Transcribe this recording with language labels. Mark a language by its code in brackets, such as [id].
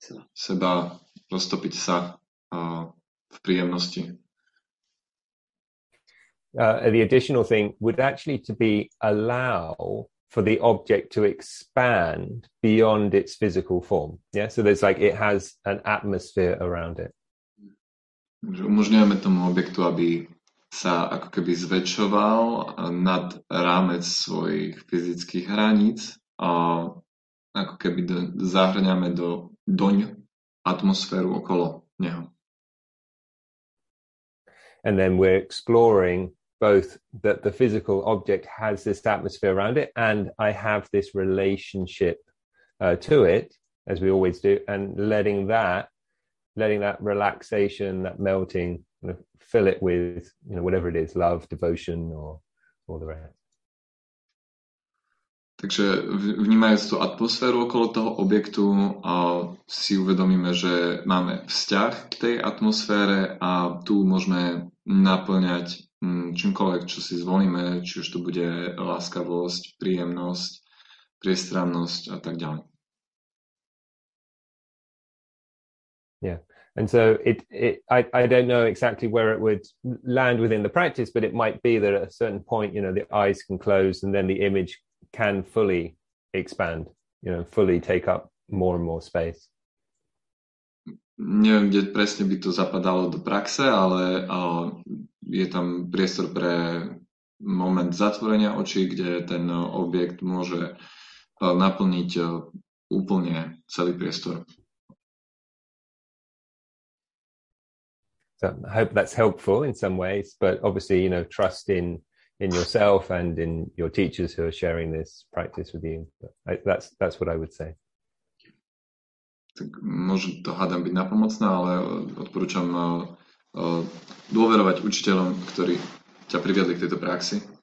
[sk] Seba roztopiť sa v príjemnosti. [en] The additional thing would actually to be allow for the object to expand beyond its physical form. Yeah, so there's like it has an atmosphere around it. [sk] Že umožňujeme tomu objektu, aby sa ako keby zväčšoval nad rámec svojich fyzických hraníc, a ako keby zahrňame doň atmosféru okolo neho. [en] And then we're exploring both that the physical object has this atmosphere around it, and I have this relationship to it, as we always do, and letting that relaxation, that melting, kind of fill it with, you know, whatever it is, love, devotion, or the rest. [sk] Takže vnímajúc tú atmosféru okolo toho objektu, si uvedomíme, že máme vzťah k tej atmosfére, a tu môžeme naplňať čímkoľvek, čo si zvolíme, či už to bude láskavosť, príjemnosť, priestrannosť a tak ďalej. [en] Yeah. And so I don't know exactly where it would land within the practice, but it might be that at a certain point, you know, the eyes can close and then the image can fully expand, you know, fully take up more and more space. [sk] Neviem, kde presne by to zapadalo do praxe, ale je tam priestor pre moment zatvorenia očí, kde ten objekt môže naplniť úplne celý priestor. [en] So I hope that's helpful in some ways, but obviously, you know, trust in yourself and in your teachers who are sharing this practice with you. That's what I would say. [sk] Tak môže to, hádam, byť napomocné, ale odporúčam dôverovať učiteľom, ktorí ťa priviedli k tejto praxi.